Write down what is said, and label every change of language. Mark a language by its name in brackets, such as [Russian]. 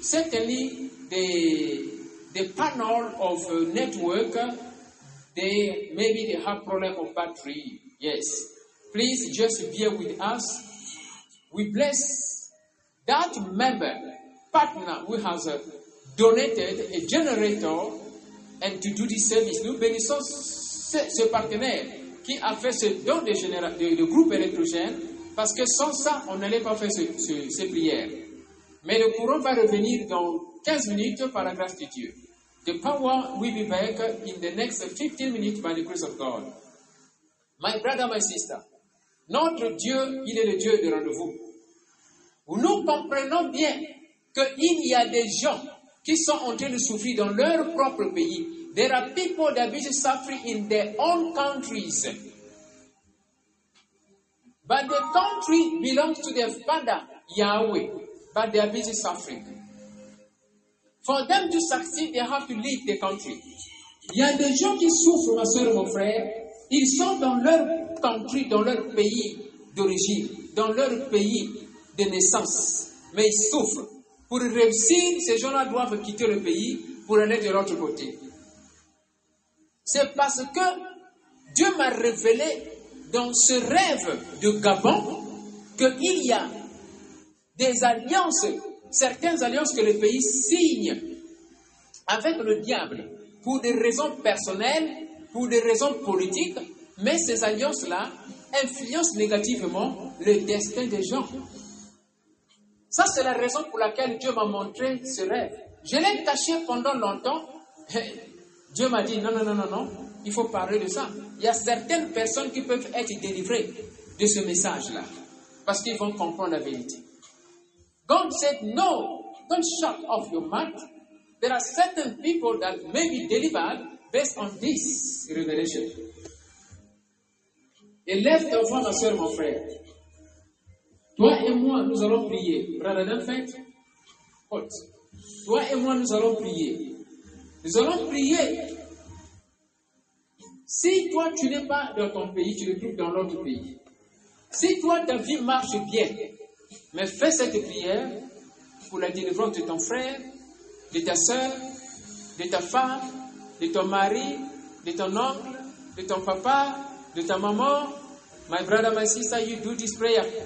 [English] Certainly, the panel of network, they have problem of battery. Yes. Please just bear with us. We bless that member, partner, who has donated a generator and to do this service. [French] Nous bénissons ce partenaire qui a fait ce don de groupe électrogène, parce que sans ça, on n'allait pas faire ces prières. Mais le courant va revenir dans 15 minutes par la grâce de Dieu. [English] The power will be back in the next 15 minutes by the grace of God. My brother, my sister, [French] notre Dieu, il est le Dieu de rendez-vous. Nous comprenons bien qu'il y a des gens qui sont en train de souffrir dans leur propre pays. [English] There are people that are suffering in their own countries. But the country belongs to their father, Yahweh. But they are busy suffering. For them to succeed, they have to leave the country. [French] Il y a des gens qui souffrent, ma soeur et mon frère. Ils sont dans leur [English] country, [French] dans leur pays d'origine, dans leur pays de naissance. Mais ils souffrent. Pour réussir, ces gens-là doivent quitter le pays pour aller de l'autre côté. C'est parce que Dieu m'a révélé dans ce rêve du Gabon qu'il y a des alliances, certaines alliances que le pays signe avec le diable pour des raisons personnelles, pour des raisons politiques, mais ces alliances-là influencent négativement le destin des gens. Ça, c'est la raison pour laquelle Dieu m'a montré ce rêve. Je l'ai caché pendant longtemps. Dieu m'a dit, non, il faut parler de ça. Il y a certaines personnes qui peuvent être délivrées de ce message-là, parce qu'ils vont comprendre la vérité. [English] God said, no, don't shut off your mouth. There are certain people that may be delivered based on this revelation. [French] Élève ton enfant, ma soeur, mon frère. Toi et moi, nous allons prier. Brother Delphine, halt. Toi et moi, nous allons prier. Nous allons prier. Si toi, tu n'es pas dans ton pays, tu le trouves dans l'autre pays. Si toi, ta vie marche bien, mais fais cette prière pour la délivrance de ton frère, de ta soeur, de ta femme, de ton mari, de ton oncle, de ton papa, de ta maman. [English] My brother, my sister, you do this prayer.